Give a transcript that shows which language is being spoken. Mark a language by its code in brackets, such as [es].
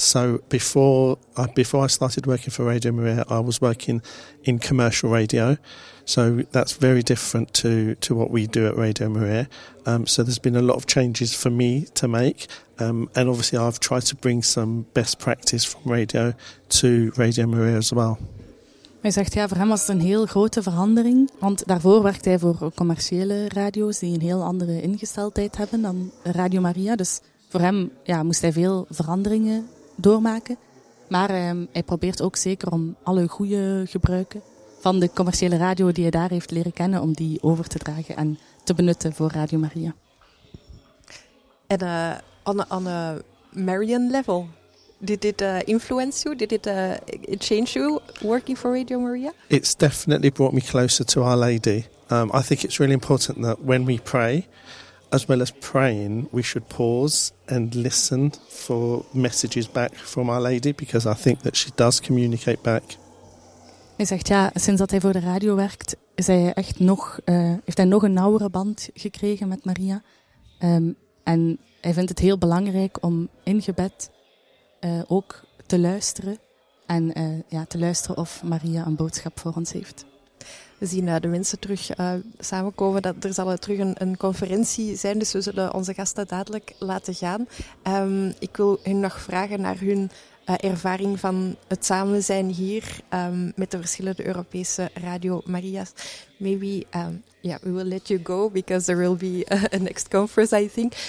[en] So before I started working for Radio Maria, I was working in commercial radio. So that's very different to what we do at Radio Maria. So there's been a lot of changes for me to make. And obviously I've tried to bring some best practice from radio to Radio Maria as well. [nl] Hij zegt, ja, voor hem was het een heel grote verandering. Want daarvoor werkte hij voor commerciële radio's die een heel andere ingesteldheid hebben dan Radio Maria. Dus voor hem ja, moest hij veel veranderingen doormaken. Maar hij probeert ook zeker om alle goede gebruiken van de commerciële radio die hij daar heeft leren kennen, om die over te dragen en te benutten voor Radio Maria. [en] En on a Marian level, did it influence you? Did it change you working for Radio Maria? It's definitely brought me closer to Our Lady. I think it's really important that when we pray, as well as praying, we should pause and listen for messages back from Our Lady, because I think that she does communicate back. [nl] Hij zegt, ja, sinds dat hij voor de radio werkt, is hij echt nog, heeft hij nog een nauwere band gekregen met Maria. En hij vindt het heel belangrijk om in gebed ook te luisteren. En te luisteren of Maria een boodschap voor ons heeft. We zien de mensen terug samenkomen. Dat er zal terug een conferentie zijn, dus we zullen onze gasten dadelijk laten gaan. Ik wil hun nog vragen naar hun ervaring van het samen zijn hier met de verschillende Europese Radio Maria's. [en] Maybe we will let you go because there will be a next conference, I think.